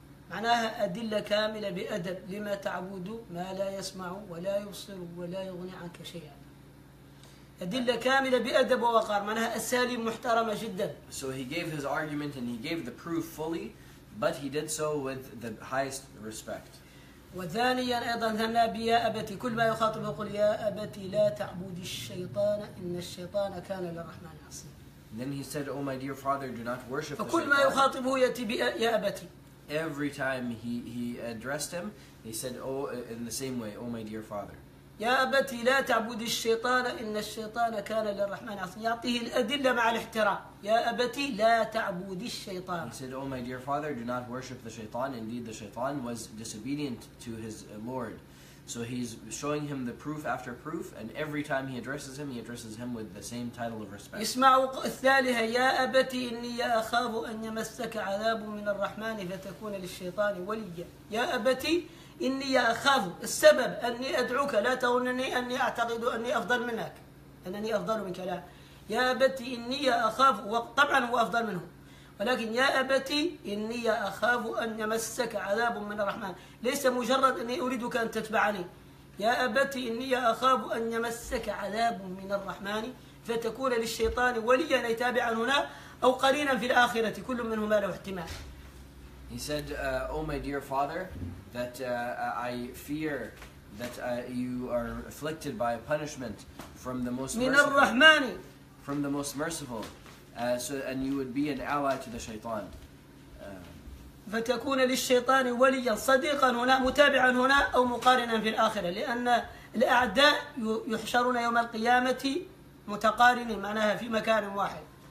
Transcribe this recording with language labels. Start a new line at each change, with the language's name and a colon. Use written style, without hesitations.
Arabic: معناها أدلة كاملة بأدب لما تعبد ما لا يسمع ولا يبصر ولا يغني عنك شيئا. أدلة كاملة بأدب ووقار معناها أساليب محترمة جدا.
English: So he gave his argument and he gave the proof fully, but he did so with the highest respect.
Arabic: وثانيا أيضا ثنى بيا أبتي كل ما يخاطبه قل يا أبتي لا تعبد الشيطان إن الشيطان كان للرحمن عصيا.
English: Then he said, "Oh my dear father, do not worship."
Arabic: فكل ما يخاطبه يأتي بيا أبتي.
English: Every time he addressed him, he said, "Oh, in the same way, oh my dear father."
Arabic: يا أبتي لا تعبد الشيطان إن الشيطان كان للرحمن عصيا. يعطيه الأدلة مع الاحترام. يا أبتي لا تعبد الشيطان.
English: He said, "Oh my dear father, do not worship the shaitan. Indeed, the shaitan was disobedient to his lord." So he's showing him the proof after proof, and every time he addresses him with the same title of respect.
Arabic: يسمع الثالثة يا أبتي إني أخاف أن يمسك عذاب من الرحمن فتكون للشيطان وليا. يا أبتي إني أخاف السبب أني أدعوك لا تظنني أني أعتقد أني أفضل منك أنني أفضل منك لا. يا أبتي إني أخاف وطبعا هو أفضل منه ولكن يا أبتي إني أخاف أن يمسك عذاب من الرحمن ليس مجرد أني أريدك أن تتبعني يَا أَبَتِ إِنِّي أَخَافُ أَنْ يَمَسَّكَ عَذَابٌ مِّنَ الرَّحْمَنِ فَتَكُونَ لِلشَّيْطَانِ وَلِيًّا أَيْ تَابِعًا هُنَا أَوْ قَرِينًا فِي الْآخِرَةِ كُلٌّ مِّنْهُمَا لَهُ احْتِمَالٌ.
English: He said, oh my dear father, that I fear that you are afflicted by a punishment from the most merciful. From the most merciful. And you would be an ally to the shaytan.
Arabic: فتكون للشيطان وليا صديقا هنا متابعا هنا أو مقارنا في الآخرة لأن الأعداء يحشرون يوم القيامة متقارنين معناها في مكان واحد.